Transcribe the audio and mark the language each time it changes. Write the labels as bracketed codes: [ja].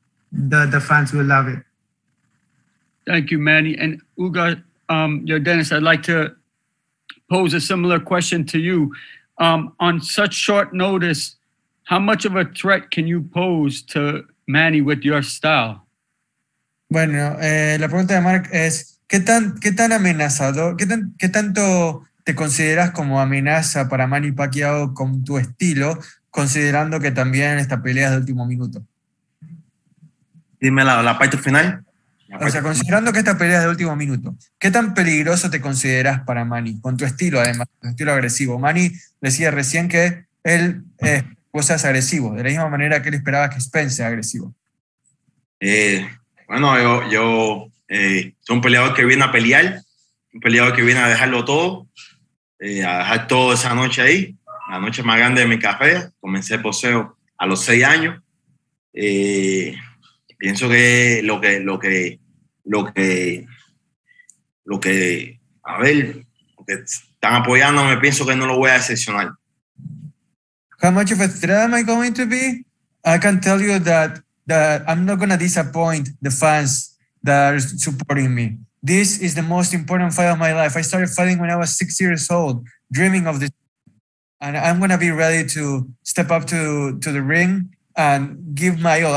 [en] The fans will love it. Thank you, Manny. And Ugas, Dennis, I'd like to pose a similar question to you. On such short notice, how much of a threat can you pose to Manny with your style? [es] Bueno, la pregunta de Mark es, ¿Qué tan amenazado, qué tanto te consideras como amenaza para Manny Pacquiao con tu estilo, considerando que también esta pelea es de último minuto? Dime la parte final. Considerando que esta pelea es de último minuto, ¿qué tan peligroso te consideras para Manny con tu estilo, además, tu estilo agresivo? Manny decía recién que él vos seas agresivo, de la misma manera que él esperaba que Spence sea agresivo. Bueno, yo es un peleador que viene a pelear, un peleador que viene a dejarlo todo, a dejar todo esa noche ahí, la noche más grande de mi carrera. Comencé el boxeo a los 6 años. Pienso que lo que están apoyándome, pienso que no lo voy a decepcionar. [en] How much of a threat am I going to be? I can tell you that I'm not going to disappoint the fans that are supporting me. This is the most important fight of my life. I started fighting when I was 6 years old, dreaming of this. And I'm going to be ready to step up to the ring and give my all.